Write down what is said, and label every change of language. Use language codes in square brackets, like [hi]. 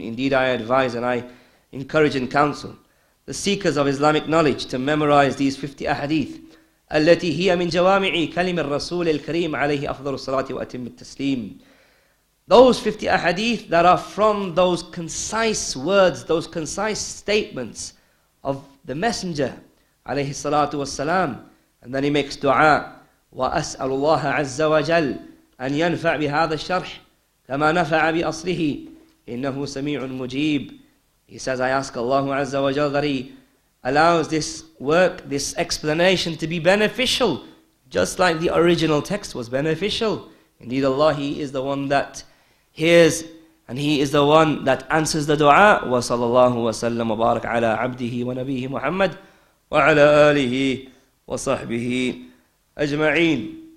[en] Indeed, I advise and I encourage and counsel the seekers of Islamic knowledge to memorize these 50 ahadith. [ar] أَلَّتِي هِيَ مِنْ جَوَامِعِي كَلِمِ الرَّسُولِ الْكَرِيمِ عَلَيْهِ أَفْضَلُ الصَّلَاةِ وَأَتِمِّ التَّسْلِيمِ. [en] Those 50 ahadith that are from those concise words, those concise statements of the Messenger [ar] عليه الصلاة والسلام. [en] And then he makes dua, [ar] وأسأل الله عز وجل أن ينفع بهذا الشرح كما نفع بأصله إنه سميع مجيب. [en] He says, I ask Allah [ar] عز وجل [en] that he allows this work, this explanation, to be beneficial, just like the original text was beneficial. Indeed, Allah, He is the one that hears, and He is the one that answers the dua. [ar] وصلى الله وسلم وبارك على عبده ونبيه محمد وعلى آله وصحبه أجمعين.